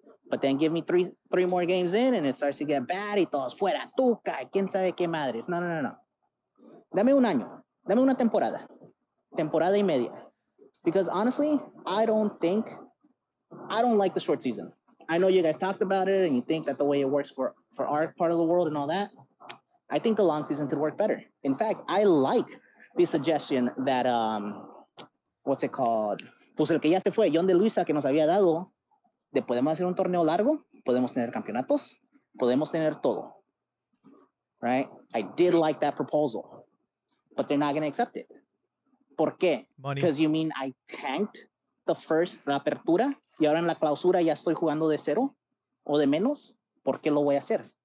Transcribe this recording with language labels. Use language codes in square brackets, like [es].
[en] But then give me three more games in and it starts to get bad. [es] Y todos fuera, Tuca, quién sabe qué madres. No. Dame un año. Dame una temporada. Temporada y media. [en] Because honestly, I don't like the short season. I know you guys talked about it and you think that the way it works for our part of the world and all that. I think the long season could work better. In fact, I like the suggestion that, what's it called? [es] Pues el que ya se fue, John de Luisa, que nos había dado. Podemos hacer un torneo largo, podemos tener campeonatos, podemos tener todo. [en] right? I did like that proposal, but they're not going to accept it. [es] ¿Por qué? [en] Money. Because you mean I tanked the first [es] la apertura y ahora en la clausura ya estoy jugando de cero o de menos? ¿Por qué lo voy a hacer?